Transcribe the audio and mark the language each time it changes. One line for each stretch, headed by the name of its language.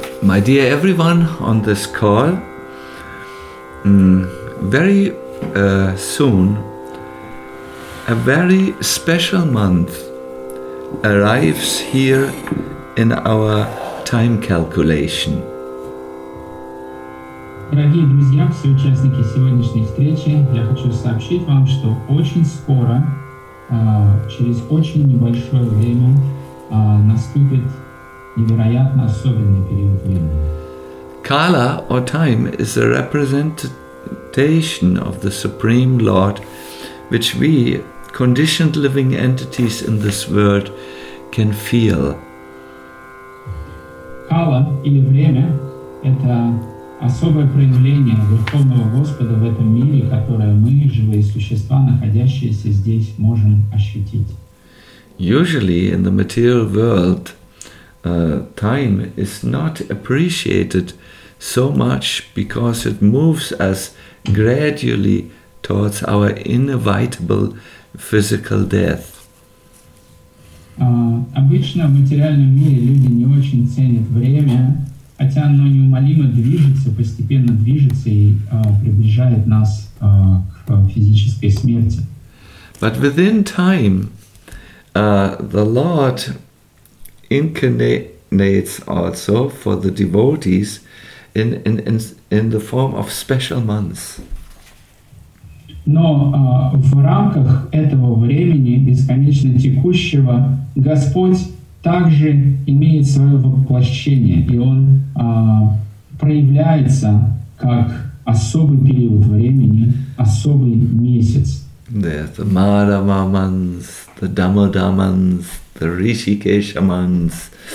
English: My dear everyone on this call, very soon a very special month arrives here in our time calculation.
Russian: Дорогие друзья, все участники сегодняшней встречи, я хочу сообщить вам, что очень скоро, через очень небольшое время, наступит невероятно особенный период времени.
English: Kala or time is a representation of the Supreme Lord which we, conditioned living entities in this world, can feel.
Russian: Kala или время – это особое проявление Верховного Господа в этом мире, которое мы, живые существа, находящиеся здесь, можем ощутить.
English: Usually in the material world, time is not appreciated so much because it moves us gradually towards our inevitable physical death.
Russian: Обычно в материальном мире люди не очень ценят время, хотя оно неумолимо движется, постепенно движется и приближает нас к физической смерти.
English: But within time, the Lord incarnates also for the devotees in the form of special months.
Russian: Но в рамках этого времени, бесконечно текущего, Господь также имеет свое воплощение, и Он проявляется как особый период времени, особый месяц.
English: The Madhava months, the Damodara months, the Rishikesha months.